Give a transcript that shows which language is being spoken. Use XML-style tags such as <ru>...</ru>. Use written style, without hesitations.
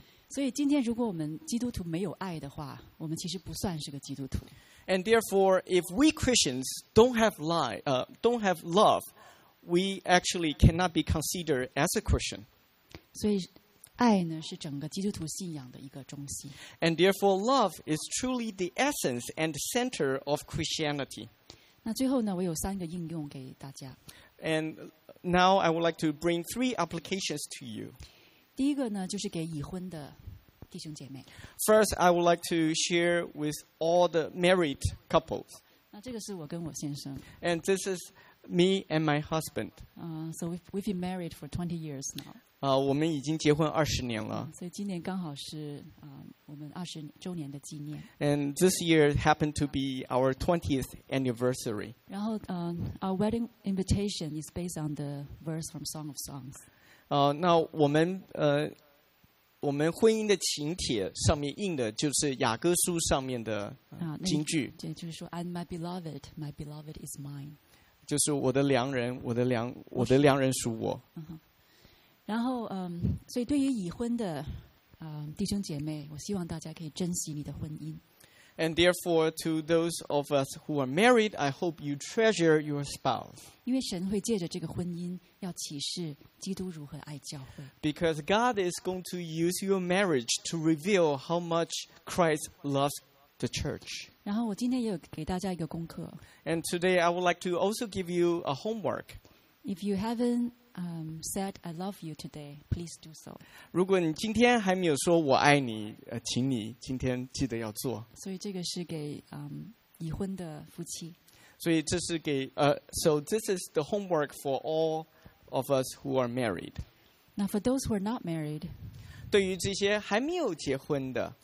<zh>So今天如果我们基督徒没有爱的话，我们其实不算是个基督徒。</zh> <en>And therefore, if we Christians don't have love, we actually cannot be considered as a Christian.</en> <zh>所以爱呢是整个基督徒信仰的一个中心。</zh> <en>And therefore, love is truly the essence and the center of Christianity.</en> <zh>那最后呢，我有三个应用给大家。</zh> <en>And now I would like to bring three applications to you.</en> <zh>第一个呢，就是给已婚的弟兄姐妹。</zh> <en>First, I would like to share with all the married couples.</en> <zh>那这个是我跟我先生。</zh> <en>And this is me and my husband. So we've been married for 20 years now.</en> <zh>我们已经结婚二十年了。所以今年刚好是我们二十周年的纪念。</zh> <en>And this year happened to be our 20th anniversary. 然后our wedding invitation is based on the verse from Song of Songs.</en> <zh>那我们婚姻的请帖上面印的就是雅歌书上面的金句，也就是说</zh> <en>，And my beloved is mine，</en> <zh>就是我的良人，我的良人属我。然后所以对于已婚的弟兄姐妹，我希望大家可以珍惜你的婚姻。</zh> <en>And therefore, to those of us who are married, I hope you treasure your spouse.</en> <zh>因为神会借着这个婚姻要启示基督如何爱教会。</zh> <en>Because God is going to use your marriage to reveal how much Christ loves the church.</en> <zh>然后我今天也有给大家一个功课。</zh> <en>And today I would like to also give you a homework. If you haven't said I love you today, please do so.</en> <zh>如果你今天还没有说我爱你，请你今天记得要做。所以这个是给已婚的夫妻。所以这是给</zh> <en>So this is the homework for all of us who are married. Now for those who are not married,</en> <zh>对于这些还没有结婚的，</zh>